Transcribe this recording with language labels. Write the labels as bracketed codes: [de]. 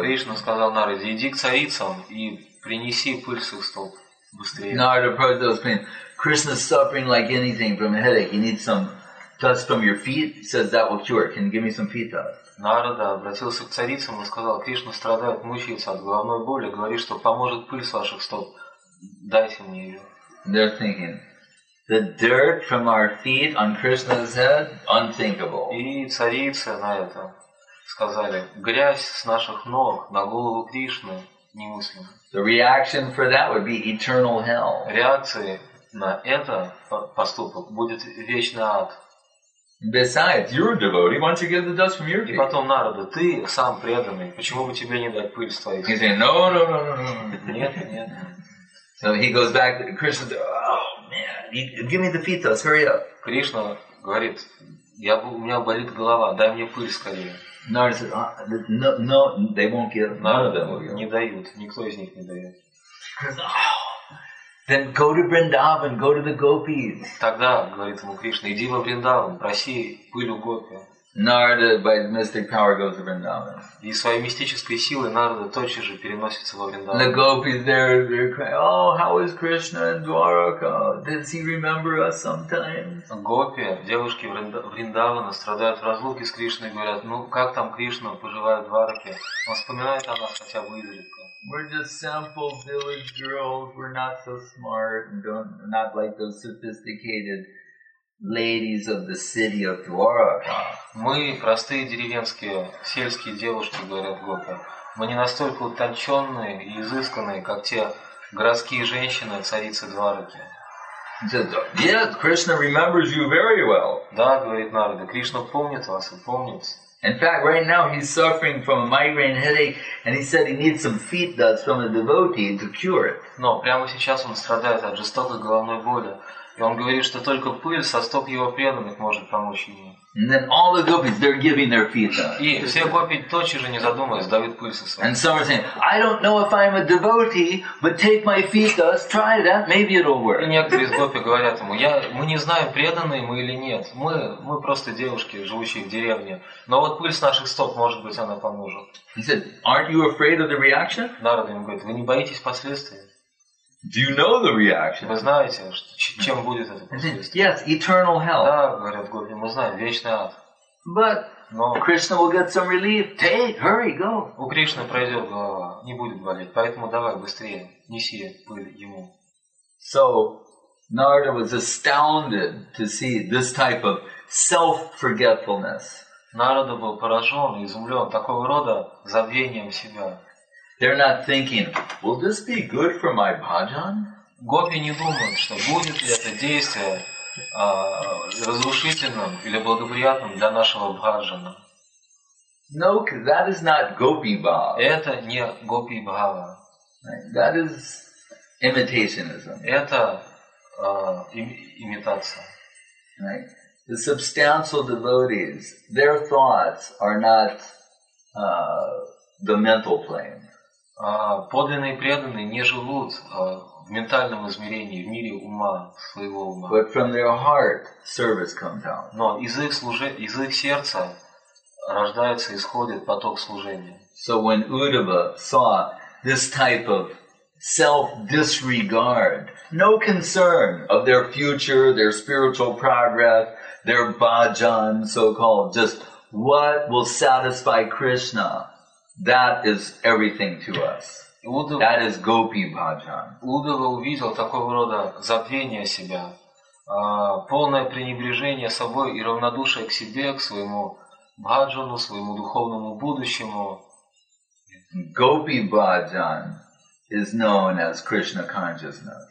[ru] Кришна сказал Нараде, иди к царицам и принеси пыль с их стоп быстрее. [en] Нарада approached those queens. Krishna's suffering like anything from a headache. He needs some dust from your feet. He says that will cure. Can you give me some fita? [ru] Нарада обратился к царицам и сказал: Кришна страдает, мучается от головной боли. Говорит, что поможет пыль с ваших стоп. Дайте мне ее. [en] They're thinking the dirt from our feet on Krishna's head, unthinkable. [ru] И царицы на это сказали: грязь с наших ног на голову Кришны немыслимо. [en] The reaction for that would be eternal hell. [ru] Реакции на это поступок будет вечный ад. [en] Besides, you're a devotee. Why don't you get the dust from your feet? [ru] И потом Нарада, ты сам преданный. Почему бы тебе не дать пыль с твоих? [en] He's saying, no. [ru] Нет. [en] So he goes back to Krishna. Oh man, give me the pitas, hurry up. [ru] Кришна говорит, у меня болит голова, дай мне пыль скорее. [en] Нарада says, no, they won't give. [ru] Нарада не дают, никто из них не дает. [en] Then go to Vrindavan, go to the gopis. [ru] Тогда, говорит ему Кришна, иди во Вриндаван, проси пыль у гопи. [en] Narada, by mystic power, goes to Vrindavan. [ru] И своей мистической силой Нарада тотчас же переносится во Вриндаван. [en] The gopis there, they're crying, oh, how is Krishna in Dwaraka? Does he remember us sometimes? [ru] Гопи, девушки Вриндавана, страдают в разлуке с Кришной и говорят, ну как там Кришна поживает в Двараке? Он вспоминает о нас хотя бы изредка. [en] We're just simple village girls. We're not so smart and not like those sophisticated ladies of the city of Dwaraka. [ru] Мы простые деревенские сельские девушки, говорят гопи. Мы не настолько утонченные и изысканные, как те городские женщины царицы Двараки. [en] Yes, Krishna remembers you very well. [ru] Да, говорит Нарада, Кришна помнит вас и помнит. [en] In fact, right now he's suffering from a migraine headache, and he said he needs some feet dust from a devotee to cure it. [ru] Но прямо сейчас он страдает от жестокой головной боли, и он говорит, что только пыль со стоп его преданных может помочь ему. [en] And then all the gopis, they're giving their feet dust. [ru] И все гопи тотчас же, не задумываясь, дают пыль со стоп. [en] And some are saying, I don't know if I'm a devotee, but take my feet dust, try that, maybe it'll work. [ru] И некоторые из гопи говорят ему, мы не знаем, преданные мы или нет, мы просто девушки, живущие в деревне, но вот пыль с наших стоп, может быть, она поможет. [en] He said, aren't you afraid of the reaction? [ru] Нарада ему говорит, вы не боитесь последствий? [en] Do you know the reaction? [ru] Вы знаете, чем будет это последствие? [en] Yes, eternal hell. [ru] Да, говорят гопи, мы знаем, вечный ад. [en] But Krishna will get some relief. Take, hurry, go. [ru] У Кришны пройдет голова, не будет болеть, поэтому давай быстрее, неси пыль ему. [en] So Narada was astounded to see this type of self-forgetfulness. [ru] Нарада был поражен, изумлен такого рода забвением себя. [en] They're not thinking, will this be good for my bhajan? [ru] Гопи не думают, что будет ли это действие разрушительным или благоприятным для нашего бхаджана. [en] No, that is not gopi bhava. [ru] Это не гопи бхава. [en] That is imitationism. [ru] Это имитация. [en] Right? The substantial devotees, their thoughts are not the mental plane. [ru] Подлинные преданные не живут в ментальном измерении, в мире ума, своего ума. [en] But from their heart, service comes out. [ru] Но из их сердца рождается, исходит поток служения. [en] So when Uddhava saw this type of self-disregard, no concern of their future, their spiritual progress, their bhajan, so-called, just what will satisfy Krishna, that is everything to us. That is gopi bhajan. [ru] Uddhava увидел такого рода забвение себя, полное пренебрежение собой и равнодушие к себе, к своему бхаджану, своему духовному будущему. [en] Gopi bhajan is known as Krishna consciousness.